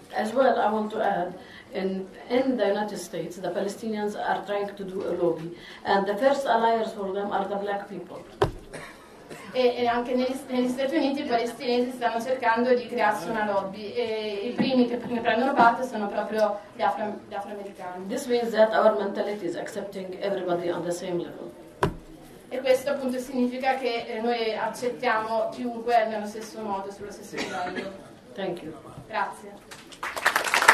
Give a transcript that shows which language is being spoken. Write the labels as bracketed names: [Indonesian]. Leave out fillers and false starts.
[English] As well, I want to add, in the United States, the Palestinians are trying to do a lobby, and the first alliers for them are the black people. [Italian] E anche negli Stati Uniti i palestinesi stanno cercando di crearsi una lobby e i primi che ne prendono parte sono proprio gli afroamericani. [English] This means that our mentality is accepting everybody on the same level. [Italian] E questo appunto significa che noi accettiamo chiunque nello stesso modo, sullo stesso livello. [English] Thank you. [Italian] Grazie.